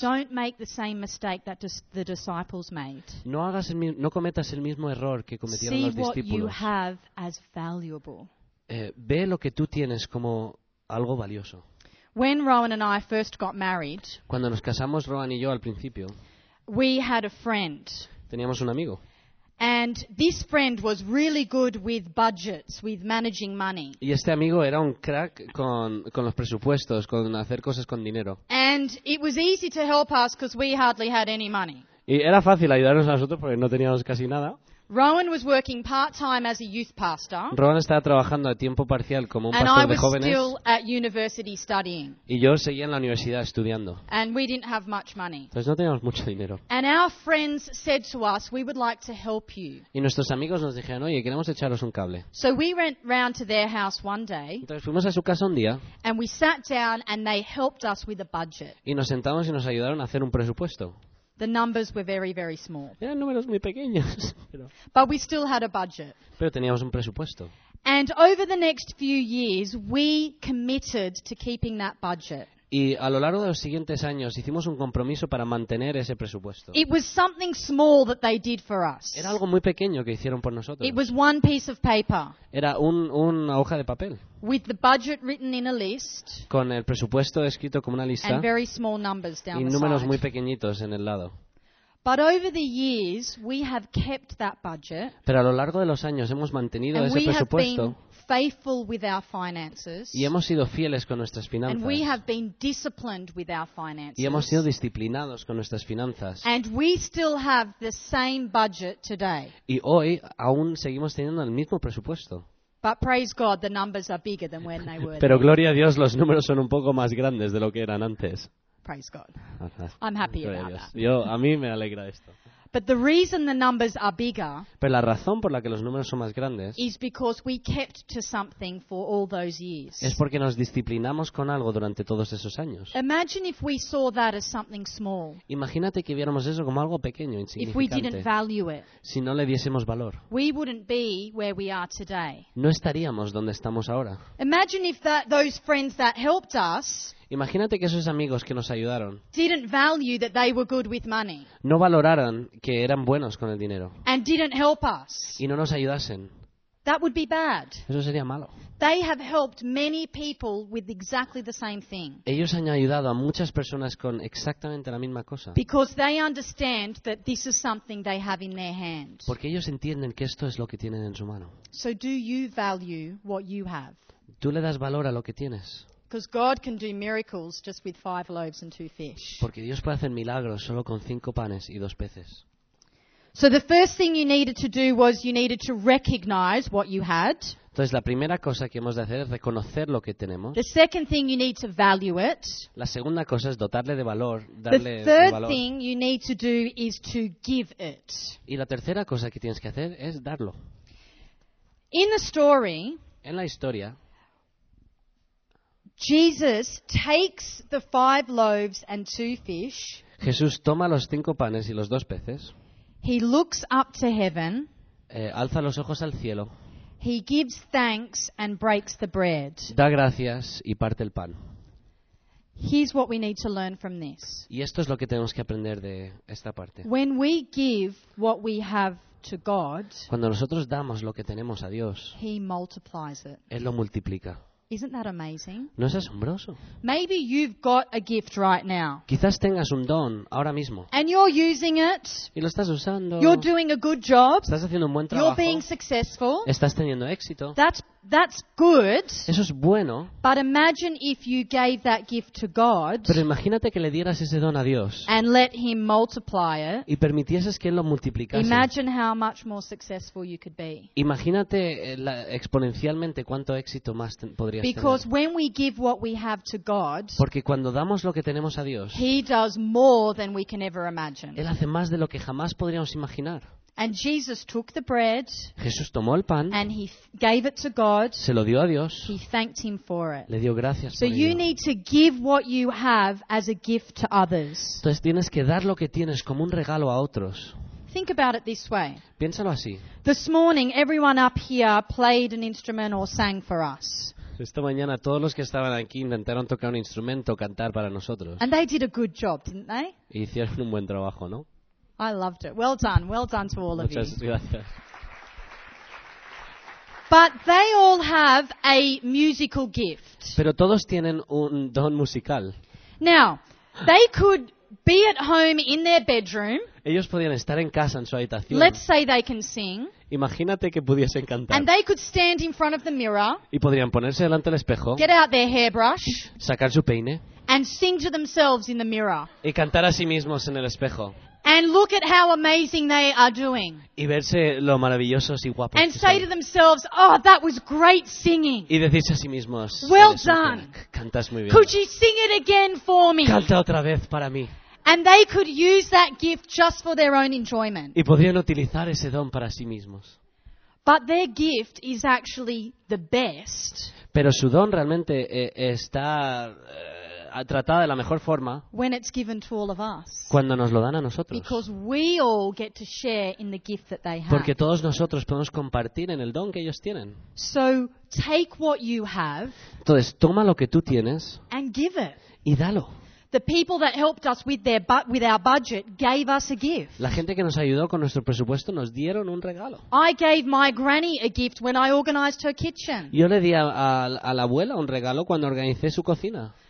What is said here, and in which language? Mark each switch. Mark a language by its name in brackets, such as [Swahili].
[English] Don't make the same mistake that the disciples made. [Spanish] No cometas el mismo error que cometieron [English] See [Spanish] los discípulos. [English] See what you have as valuable. [Spanish] Ve lo que tú tienes como algo valioso. [English] When Rowan and I first got married, [Spanish] cuando nos casamos Rowan y yo al principio, [English] we had a friend. [Spanish] Teníamos un amigo. [English] And this friend was really good with budgets, with managing money. [Spanish] Y este amigo era un crack con los presupuestos, con hacer cosas con dinero. [English] And it was easy to help us because we hardly had any money. [Spanish] Y era fácil ayudarnos a nosotros porque no teníamos casi nada. [English] Rowan was working part-time as a youth pastor. [Spanish] Rowan estaba trabajando a tiempo parcial como un pastor de jóvenes. [English] And I was still at university studying. [Spanish] Y yo seguía en la universidad estudiando. [English] And we didn't have much money. [Spanish] Entonces no teníamos mucho dinero. [English] And our friends said to us, "We would like to help you." [Spanish] Y nuestros amigos nos dijeron, "Oye, queremos echaros un cable." [English] So we went round to their house one day. [Spanish] Entonces fuimos a su casa un día. [English] And we sat down and they helped us with a budget. [Spanish] Y nos sentamos y nos ayudaron a hacer un presupuesto. [English] The numbers were very, very small. [Spanish] Eran números muy pequeños, pero. [English] But we still had a budget. [Spanish] Pero teníamos un presupuesto. [English] And over the next few years, we committed to keeping that budget. [Spanish] Y a lo largo de los siguientes años hicimos un compromiso para mantener ese presupuesto. [English] It was something small that they did for us. [Spanish] Era algo muy pequeño que hicieron por nosotros. [English] It was one piece of paper. [Spanish] Era una hoja de papel. [English] With the budget written in a list. [Spanish] Con el presupuesto escrito como una lista. [English] And very small numbers down the side. [Spanish] Y números muy pequeñitos en el lado. [English] But over the years we have kept that budget. [Spanish] Pero a lo largo de los años hemos mantenido ese presupuesto. [English] Faithful with our finances. [Spanish] Y hemos sido fieles con nuestras finanzas. [English] And we have been disciplined with our finances. [Spanish] Y hemos sido disciplinados con nuestras finanzas. [English] And we still have the same budget today. [Spanish] Y hoy aún seguimos teniendo el mismo presupuesto. [English] But praise God, the numbers are bigger than when they were. [Spanish] Pero gloria a Dios, los números son un poco más grandes de lo que eran antes. [English] Praise God. I'm happy [Spanish] gloria [English] about [Spanish] Dios. [English] That. [Spanish] Yo, a mí me alegra esto. [English] But the reason the numbers are bigger, [Spanish] pero la razón por la que los números son más grandes, [English] is because we kept to something for all those years. [Spanish] Es porque nos disciplinamos con algo durante todos esos años. [English] Imagine if we saw that as something small. [Spanish] Imagínate que viéramos eso como algo pequeño, insignificante. [English] If we didn't value it, [Spanish] si no le diésemos valor, [English] we wouldn't be where we are today. [Spanish] No estaríamos donde estamos ahora. [English] Imagine if those friends that helped us. [Spanish] Imagínate que esos amigos que nos ayudaron [English] didn't value that they were good with money. [Spanish] No valoraran que eran buenos con el dinero. [English] And didn't help us. [Spanish] Y no nos ayudasen. [English] That would be bad. [Spanish] Eso sería malo. [English] They have helped many people with exactly the same thing. [Spanish] Ellos han ayudado a muchas personas con exactamente la misma cosa. [English] Because they understand that this is something they have in their hands. [Spanish] Porque ellos entienden que esto es lo que tienen en su mano. [English] So do you value what you have? [Spanish] ¿Tú le das valor a lo que tienes? [English] Because God can do miracles just with 5 loaves and 2 fish. [Spanish] Porque Dios puede hacer milagros solo con 5 panes y 2 peces. [English] So the first thing you needed to do was you needed to recognize what you had. [Spanish] Entonces la primera cosa que hemos de hacer es reconocer lo que tenemos. [English] The second thing you need to value it. [Spanish] La segunda cosa es dotarle de valor, darle valor. [English] The third thing you need to do is to give it. [Spanish] Y la tercera cosa que tienes que hacer es darlo. [English] In the story. [Spanish] En la historia. [English] Jesus takes the 5 loaves and 2 fish. [Spanish] Jesús toma los 5 panes y los 2 peces. [English] He looks up to heaven. [Spanish] Alza los ojos al cielo. [English] He gives thanks and breaks the bread. [Spanish] Da gracias y parte el pan. [English] Here's what we need to learn from this. [Spanish] Y esto es lo que tenemos que aprender de esta parte. [English] When we give what we have to God, [Spanish] cuando nosotros damos lo que tenemos a Dios, [English] He multiplies it. [Spanish] Él lo multiplica. [English] Isn't that amazing? [Spanish] ¿No es asombroso? [English] Maybe you've got a gift right now. [Spanish] Quizás tengas un don ahora mismo. [English] And you're using it. [Spanish] Y lo estás usando. [English] You're doing a good job. [Spanish] Estás haciendo un buen trabajo. [English] You're being successful. [Spanish] Estás teniendo éxito. [English] That's That's good. [Spanish] Eso es bueno. [English] But imagine if you gave that gift to God. [Spanish] Pero imagínate que le dieras ese don a Dios. [English] And let him multiply it. [Spanish] Y permitieses que él lo multiplicase. [English] Imagine how much more successful you could be. [Spanish] Imagínate exponencialmente cuánto éxito más podrías tener. [English] Because when we give what we have to God, [Spanish] porque cuando damos lo que tenemos a Dios, [English] he does more than we can ever imagine. [Spanish] Él hace más de lo que jamás podríamos imaginar. [English] And Jesus took the bread. [Spanish] Jesús tomó el pan. [English] And he gave it to God. [Spanish] Se lo dio a Dios. [English] He thanked him for it. [Spanish] Le dio gracias por ello. [English] So you need to give what you have as a gift to others. [Spanish] Entonces tienes que dar lo que tienes como un regalo a otros. [English] Think about it this way. [Spanish] Piénsalo así. [English] This morning, everyone up here played an instrument or sang for us. [Spanish] Esta mañana todos los que estaban aquí intentaron tocar un instrumento o cantar para nosotros. [English] And they did a good job, didn't they? [Spanish] Y hicieron un buen trabajo, ¿no? [English] I loved it. Well done to all of [Spanish] muchas [English] you. [Spanish] Gracias. [English] But they all have a musical gift. [Spanish] Pero todos tienen un don musical. [English] Now, they could be at home in their bedroom. [Spanish] Ellos podían estar en casa en su habitación. [English] Let's say they can sing. [Spanish] Imagínate que pudiesen cantar. [English] And they could stand in front of the mirror. [Spanish] Y podrían ponerse delante del espejo. [English] Get out their hairbrush. [Spanish] Sacar su peine. [English] And sing to themselves in the mirror. [Spanish] Y cantar a sí mismos en el espejo. [English] And look at how amazing they are doing. [Spanish] Y verse lo maravillosos y guapos. [English] And say to themselves, "Oh, that was great singing." [Spanish] Y decirse a sí mismos, [English] "Well done. [Spanish] Cantas muy bien. [English] Could you sing it again for me?" [Spanish] Canta otra vez para mí. [English] And they could use that gift just for their own enjoyment. [Spanish] Y podrían utilizar ese don para sí mismos. [English] But their gift is actually the best. [Spanish] Pero su don realmente está tratada de la mejor forma [English] when it's given to all of us. [Spanish] Cuando nos lo dan a nosotros. [English] Because we all get to share in the gift that they have. [Spanish] Porque todos nosotros podemos compartir en el don que ellos tienen. [English] So take what you have. [Spanish] Entonces toma lo que tú tienes. [English] And give it. [Spanish] Y dalo. [English] The people that helped us with our budget gave us a gift. [Spanish] La gente que nos ayudó con nuestro presupuesto nos dieron un regalo. [English] I gave my granny a gift when I organized her kitchen. [Spanish] Yo le di a la abuela un regalo cuando organicé su cocina.